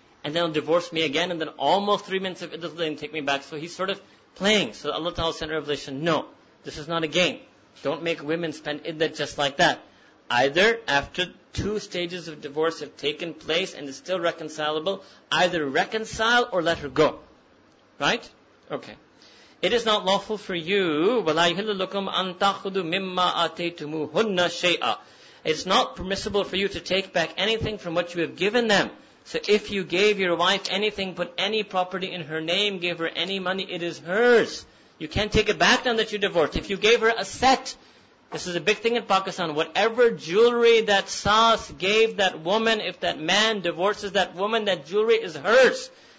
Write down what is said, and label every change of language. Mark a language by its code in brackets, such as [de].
[en] And then divorce me again and then almost 3 months of iddah and take me back. So he's sort of playing. So Allah Ta'ala sent a revelation. No, this is not a game. Don't make women spend iddah just like that. Either after two stages of divorce have taken place and it's still reconcilable, either reconcile or let her go. Right? Okay. It is not lawful for you, [ar] وَلَا يُهِلُّ لُكُمْ أَن تَأْخُذُوا مِمَّا آتَيْتُمُوهُنَّ شَيْئًا. [en] It's not permissible for you to take back anything from what you have given them. So if you gave your wife anything, put any property in her name, gave her any money, it is hers. You can't take it back now that you divorced. If you gave her a set, this is a big thing in Pakistan, whatever jewelry that Saas gave that woman, if that man divorces that woman, that jewelry is hers.